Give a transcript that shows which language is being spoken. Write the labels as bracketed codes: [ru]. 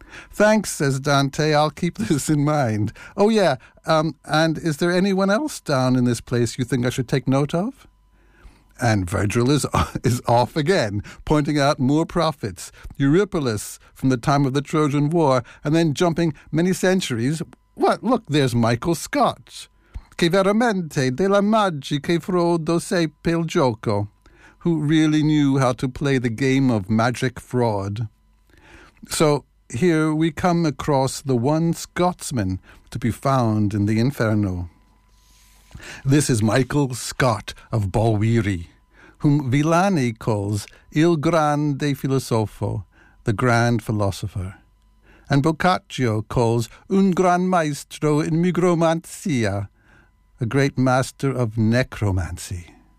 [en] Thanks, says Dante, I'll keep this in mind. Oh yeah, and is there anyone else down in this place you think I should take note of? And Virgil is off again, pointing out more prophets, Eurypylus from the time of the Trojan War, and then jumping many centuries. What, look, there's Michael Scott. [it] Che veramente della magia che frodo seppe il gioco, [en] who really knew how to play the game of magic fraud. So here we come across the one Scotsman to be found in the Inferno. This is Michael Scott of Balwearie, whom Villani calls [it] Il Grande Filosofo, [en] the Grand Philosopher, and Boccaccio calls [it] Un Gran Maestro in Migromanzia, [en] a great master of necromancy.